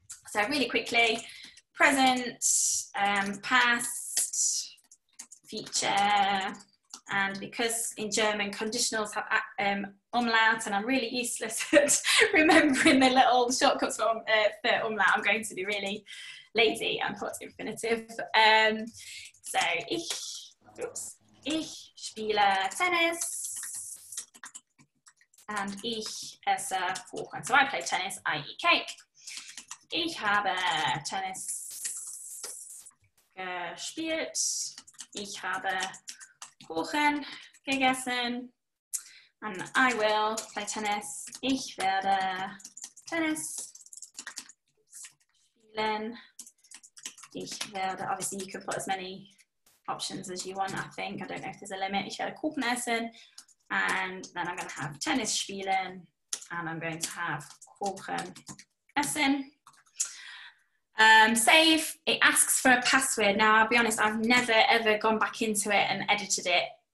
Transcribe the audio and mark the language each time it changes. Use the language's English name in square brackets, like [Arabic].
[English] So really quickly, present, past, future, and because in German conditionals have umlaut, and I'm really useless at remembering the little shortcuts for umlaut, I'm going to be really lazy and put infinitive. [German] So ich spiele Tennis. [English] And [German] ich esse Kuchen. [English] So I play tennis, I eat cake. [German] Ich habe Tennis gespielt. Ich habe Kuchen gegessen. [English] And I will play tennis. [German] Ich werde Tennis spielen. Ich werde, [English] obviously you can put as many options as you want, I think. I don't know if there's a limit. [German] Ich werde Kuchen essen. [English] And then I'm going to have [German] tennis spielen, [English] and I'm going to have [German] Kuchen essen. [English] Save, it asks for a password. Now, I'll be honest, I've never ever gone back into it and edited it.